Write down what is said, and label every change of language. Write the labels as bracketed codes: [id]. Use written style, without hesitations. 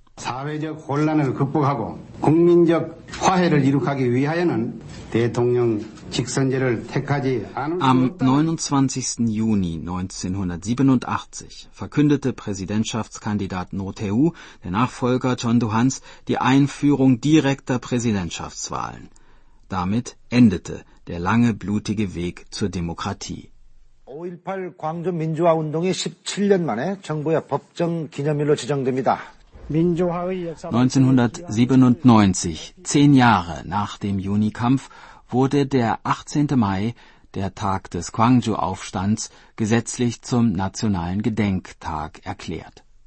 [de] Am 29. Juni 1987 verkündete Präsidentschaftskandidat No Tae-woo, der Nachfolger John Duhans, die Einführung direkter Präsidentschaftswahlen. Damit endete der lange blutige Weg zur Demokratie. [ko] 5.18 광주 민주화 운동이 17년 만에 정부의 법정 기념일로 지정됩니다. [de] 1997, 10 Jahre nach dem Junikampf, wurde der 18. Mai, der Tag des Gwangju-Aufstands, gesetzlich zum nationalen Gedenktag erklärt.